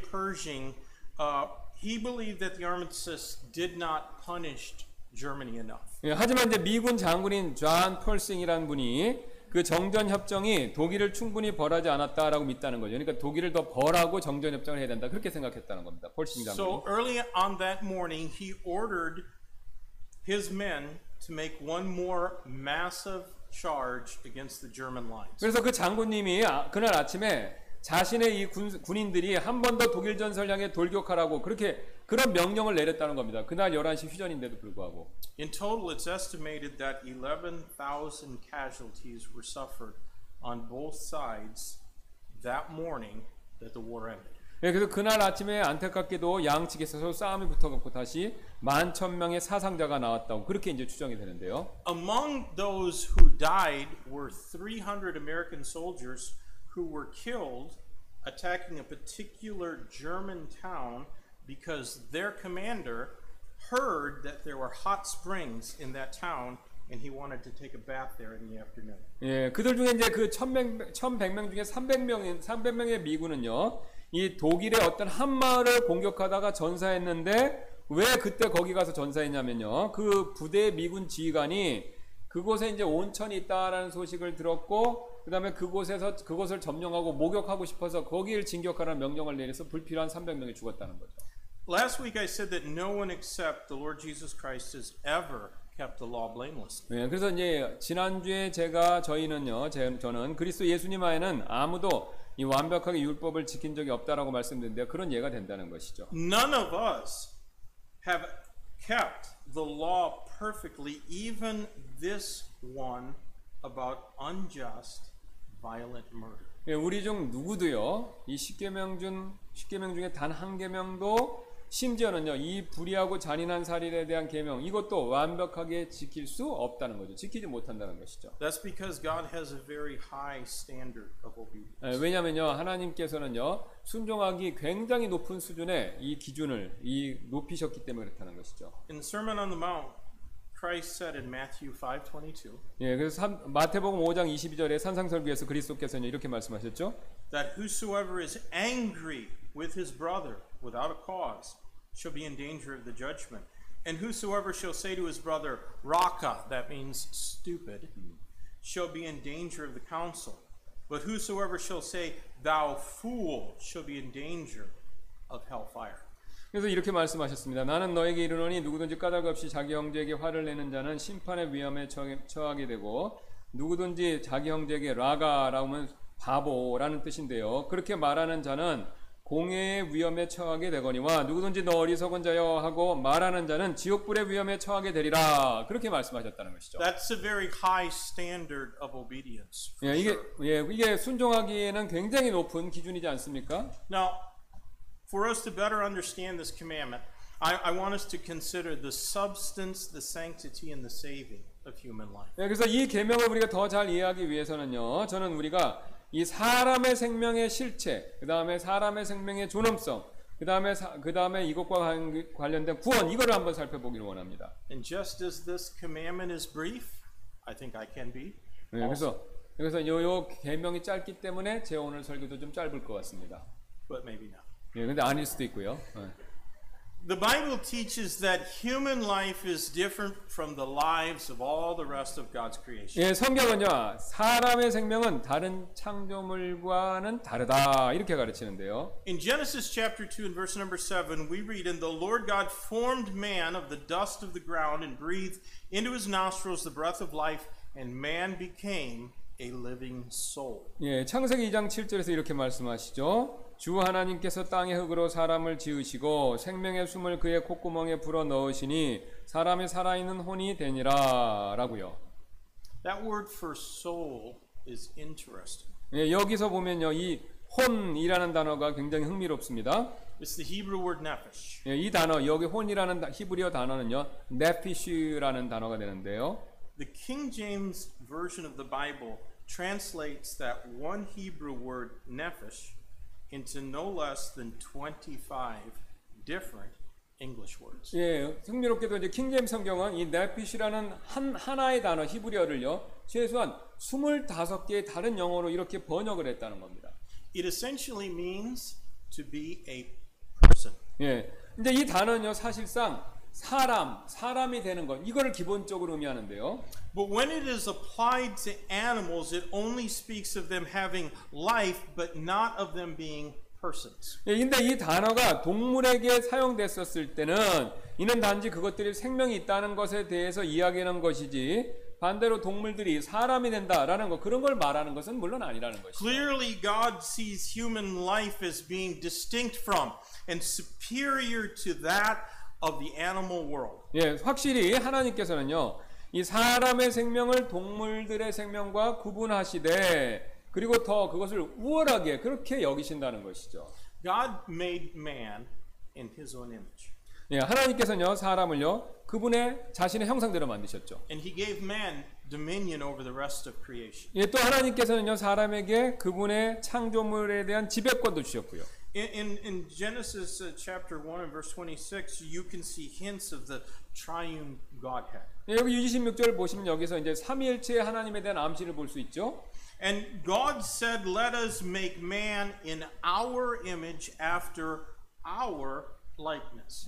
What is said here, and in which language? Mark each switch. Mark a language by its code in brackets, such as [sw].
[en] Pershing, he believed that the armistice did not punish Germany enough. [ko] 네, 하지만 이제 미군 장군인 존 펄싱이라는 분이 그 정전 협정이 독일을 충분히 벌하지 않았다라고 믿다는 거죠. 그러니까 독일을 더 벌하고 정전 협정을 해야 된다. 그렇게 생각했다는 겁니다. 펄싱 장군. [en] So early on that morning, he ordered his men to make one more massive charge against the German lines. [ko] 그래서 그 장군님이 그날 아침에 자신의 이 군인들이 한 번 더 독일 전선을 향해 돌격하라고 그렇게 그런 명령을 내렸다는 겁니다. 그날 11시 휴전인데도 불구하고. [en] In total, it's estimated that 11,000 casualties were suffered on both sides that morning that the war ended. [ko] 예, 그래서 그날 아침에 안타깝게도 양측에서 싸움이 붙어갖고 다시 11,000명의 사상자가 나왔다고 그렇게 이제 추정이 되는데요. [en] Among those who died were 300 American soldiers who were killed attacking a particular German town because their commander heard that there were hot springs in that town and he wanted to take a bath there in the afternoon. [ko] 예, 그들 중에 이제 그 1,100명 중에 300명의 미군은요. 이 독일의 어떤 한 마을을 공격하다가 전사했는데 왜 그때 거기 가서 전사했냐면요. 그 부대 미군 지휘관이 그곳에 이제 온천이 있다라는 소식을 들었고 그다음에 그곳에서 그것을 점령하고 목욕하고 싶어서 거기를 진격하라는 명령을 내려서 불필요한 300명이 죽었다는 거죠. [en] Last week I said that no one except the Lord Jesus Christ has ever kept the law blameless. [ko] 네, 그래서 이제 지난주에 저는 그리스도 예수님 외에는 아무도 이 완벽하게 율법을 지킨 적이 없다라고 말씀드렸는데 그런 예가 된다는 것이죠. [en] None of us have kept the law perfectly, even this one about unjust violent murder. [ko] 예, 우리 중 누구도요. 이 십계명 중 십계명 중에 단 한 계명도 심지어는요. 이 불의하고 잔인한 살인에 대한 계명 이것도 완벽하게 지킬 수 없다는 거죠. 지키지 못한다는 것이죠. [en] That's because God has a very high standard of obedience. [ko] 예, 왜냐면요. 하나님께서는요. 순종하기 굉장히 높은 수준의 이 기준을 이 높이셨기 때문에 그렇다는 것이죠. [en] In the Sermon on the Mount, Christ said in Matthew 5:22. [ko] 예, 그래서 마태복음 5장 22절에 산상설교에서 그리스도께서는 이렇게 말씀하셨죠. [en] That whosoever is angry with his brother without a cause shall be in danger of the judgment. And whosoever shall say to his brother raka, that means stupid, shall be in danger of the council. But whosoever shall say thou fool shall be in danger of hellfire. [ko] 그래서 이렇게 말씀하셨습니다. 나는 너에게 이르노니 누구든지 까닭 없이 자기 형제에게 화를 내는 자는 심판의 위험에 처하게 되고 누구든지 자기 형제에게 라가라고 하면 바보라는 뜻인데요. 그렇게 말하는 자는 공의의 위험에 처하게 되거니와 누구든지 너 어리석은 자여 하고 말하는 자는 지옥불의 위험에 처하게 되리라. 그렇게 말씀하셨다는 것이죠. [en] That's a very high standard of obedience. [ko] 예, 이게 예, 이게 순종하기에는 굉장히 높은 기준이지 않습니까? [en] Now, for us to better understand this commandment, I want us to consider the substance, the sanctity, and the saving of human life. [ko] 예, 그래서 이 계명을 우리가 더 잘 이해하기 위해서는요, 저는 우리가 이 사람의 생명의 실체, 그 다음에 사람의 생명의 존엄성, 그 다음에 이것과 관련된 구원 이거를 한번 살펴보기를 원합니다. [en] And just as this commandment is brief, I think I can be. [ko] 예, 그래서 여기서 요 계명이 짧기 때문에 제 오늘 설교도 좀 짧을 것 같습니다. [en] But maybe not. [ko] 예, 근데 아닐 수도 있고요. 예. [en] The Bible teaches that human life is different from the lives of all the rest of God's creation. [ko] 예, 성경은요, 사람의 생명은 다른 창조물과는 다르다 이렇게 가르치는데요. [en] In Genesis chapter 2 and verse number 7, we read, "And the Lord God formed man of the dust of the ground and breathed into his nostrils the breath of life, and man became a living soul." [ko] 예, 창세기 2장 7절에서 이렇게 말씀하시죠. 주 하나님께서 땅의 흙으로 사람을 지으시고 생명의 숨을 그의 콧구멍에 불어 넣으시니 사람이 살아있는 혼이 되니라 라고요. [en] That word for soul is interesting. [ko] 예, 여기서 보면요, 이 혼이라는 단어가 굉장히 흥미롭습니다. [en] It's the Hebrew word nephesh. [ko] 예, 이 단어, 여기 혼이라는 히브리어 단어는요, nephesh라는 단어가 되는데요. [en] The King James version of the Bible translates that one Hebrew word nephesh into no less than 25 different English words. [ko] 예, 흥미롭게도 이제 킹 제임스 성경은 이 네피시라는 하나의 단어 히브리어를요 최소한 25개의 다른 영어로 이렇게 번역을 했다는 겁니다. [en] It essentially means to be a person. [ko] 예, 근데 이 단어는요 사실상 사람, 사람이 되는 것, 이거를 기본적으로 의미하는데요. [en] But when it is applied to animals, it only speaks of them having life, but not of them being persons. [ko] 그런데 이 단어가 동물에게 사용됐었을 때는 이는 단지 그것들이 생명이 있다는 것에 대해서 이야기하는 것이지 반대로 동물들이 사람이 된다라는 것, 그런 걸 말하는 것은 물론 아니라는 것이죠. [en] Clearly, God sees human life as being distinct from and superior to that of the animal world. [ko] 예, 확실히 하나님께서는요. 이 사람의 생명을 동물들의 생명과 구분하시되 그리고 더 그것을 우월하게 그렇게 여기신다는 것이죠. [en] God made man in his own image. [ko] 예, 하나님께서는요. 사람을요. 그분의 자신의 형상대로 만드셨죠. [en] And he gave man dominion over the rest of creation. [ko] 예, 또 하나님께서는요. 사람에게 그분의 창조물에 대한 지배권도 주셨고요. [en] In Genesis chapter 1 and verse 26, you can see hints of the triune Godhead. [ko] 여기 26절 보시면 여기서 이제 삼위일체 하나님에 대한 암시를 볼 수 있죠. [en] And God said, "Let us make man in our image, after our likeness."